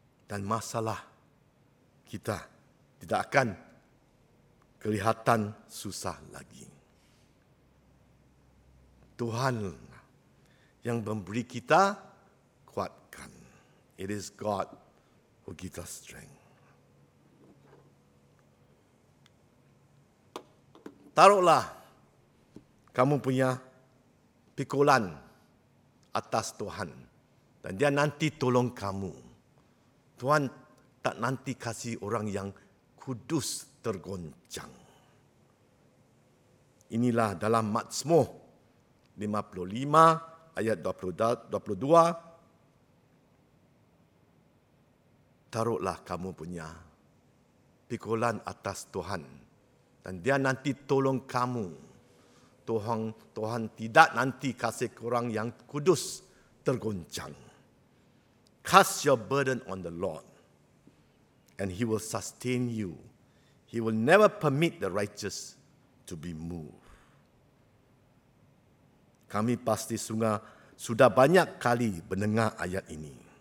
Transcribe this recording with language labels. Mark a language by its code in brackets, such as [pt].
[ms] Dan masalah kita tidak akan kelihatan susah lagi. Tuhan yang memberi kita kuatkan. [en] It is God who gives us strength. [ms] Taruhlah kamu punya pikulan atas Tuhan, dan dia nanti tolong kamu. Tuhan tak nanti kasih orang yang kudus tergoncang. Inilah dalam Mazmur 55 ayat 22. Taruhlah kamu punya pikulan atas Tuhan, dan dia nanti tolong kamu. Tuhan tidak nanti kasih korang yang kudus tergoncang. [en] Cast your burden on the Lord, and He will sustain you. He will never permit the righteous to be moved. [ms] Kami pasti sudah banyak kali mendengar ayat ini.